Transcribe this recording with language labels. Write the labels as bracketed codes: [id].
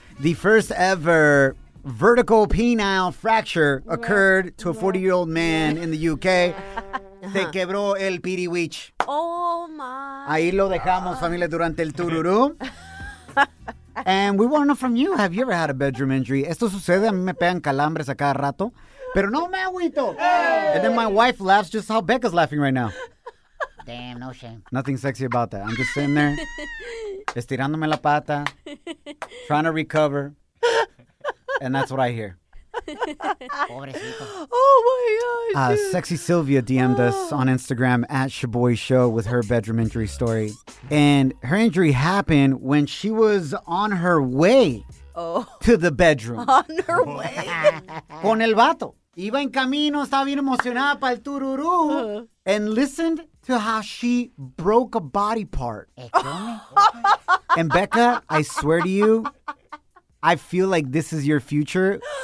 [en] The first ever vertical penile fracture occurred to a 40-year-old man in the UK. [es] Se quebró el piriwich. [en] Oh, my. [es] Ahí lo dejamos, familia, durante el tururú. [en] And we want to know from you, have you ever had a bedroom injury? [es] Esto sucede, a mí me pegan calambres a cada rato. Pero no me agüito. Hey. [en] And then my wife laughs just how Becca's laughing right now. Damn, no shame. Nothing sexy about that. I'm just sitting there, [es] estirándome la pata, [en] trying to recover. And that's what I hear. [es] Pobrecito. [en] Oh, my gosh. Sexy Sylvia DM'd us on Instagram at Shaboy Show with her bedroom injury story. And her injury happened when she was on her way to the bedroom. On her way. [es] Con el vato. Iba en camino, estaba bien emocionada para el tururú. [en] And listened to how she broke a body part. And Becca, I swear to you, I feel like this is your future.